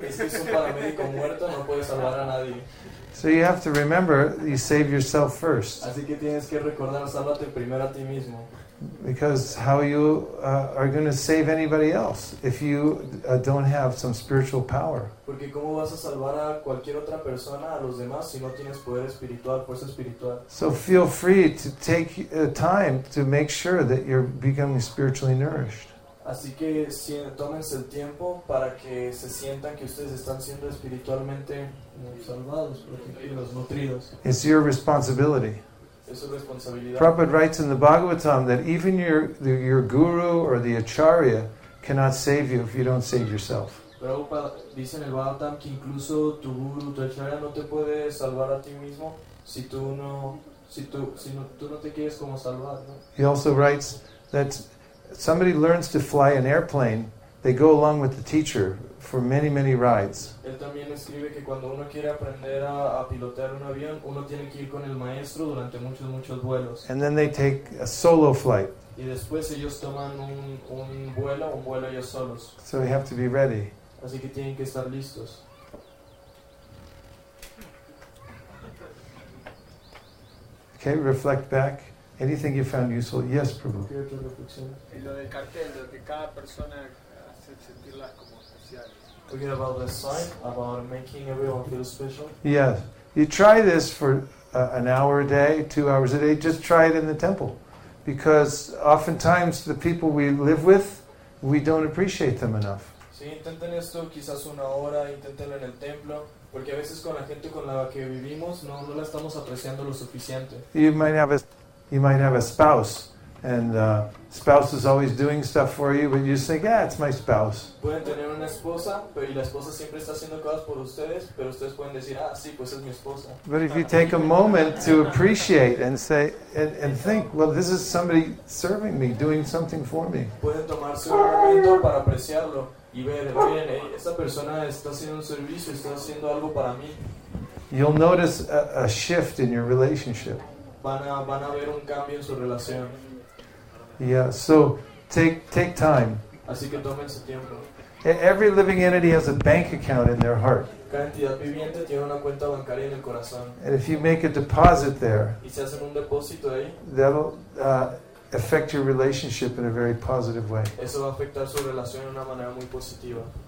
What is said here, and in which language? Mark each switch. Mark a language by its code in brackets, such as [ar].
[en] So you have to remember, you save yourself first. [es] Así que tienes que recordar, sálvate primero a ti mismo. [en] Because how you are going to save anybody else if you don't have some spiritual power? [es] Porque cómo vas a salvar a cualquier otra persona, a los demás, si no tienes poder espiritual, fuerza espiritual. [en] So feel free to take time to make sure that you're becoming spiritually nourished. [es] Así que si, tómense el tiempo para que se sientan que ustedes están siendo espiritualmente salvados, protegidos, nutridos. [en] It's your responsibility. Prabhupada writes in the Bhagavatam that even your guru or the acharya cannot save you if you don't save yourself. [es] Prabhupada dice en el Bhagavatam que incluso tu guru, tu acharya no te puede salvar a ti mismo si tú no te quieres como salvar, ¿no? [en] He also writes that somebody learns to fly an airplane, they go along with the teacher for many, many rides. [es] Él también escribe que cuando uno quiere aprender a pilotar un avión, uno tiene que ir con el maestro durante muchos, muchos vuelos. [en] And then they take a solo flight. [es] Y después ellos toman un vuelo ellos solos. [en] So they have to be ready. [es] Así que tienen que estar listos. [en] Okay, reflect back. Anything you found useful? Yes, Prabhu. [es] Y lo del cartel, lo que cada persona hace sentirlas como especiales. [en] Forget about the sign, about making everyone feel special. Yes. You try this for an hour a day, 2 hours a day. Just try it in the temple. Because oftentimes the people we live with, we don't appreciate them enough. [es] Sí, intenten esto quizás una hora, intentenlo en el templo. Porque a veces con la gente con la que vivimos, no la estamos apreciando lo suficiente. [en] You might have a spouse. And spouse is always doing stuff for you, but you think, yeah, it's my spouse. [es] Pueden tener una esposa, pero la esposa siempre está haciendo cosas por ustedes, pero ustedes pueden decir, ah, sí, pues es mi esposa. [en] But if you take a moment to appreciate and say and think, well, this is somebody serving me, doing something for me. [es] Pueden tomarse un momento para apreciarlo y ver, miren, esta persona está haciendo un servicio, está haciendo algo para mí. [en] You'll notice a shift in your relationship. [es] Van a ver un cambio en su relación. [en] Yeah, so take time. [es] Así que tómense tiempo. [en] Every living entity has a bank account in their heart. [es] Cada entidad viviente tiene una cuenta bancaria en el corazón. [en] And if you make a deposit there, [es] y si hacen un depósito ahí, [en] that'll affect your relationship in a very positive way. [es] Eso va a afectar su relación de una manera muy positiva.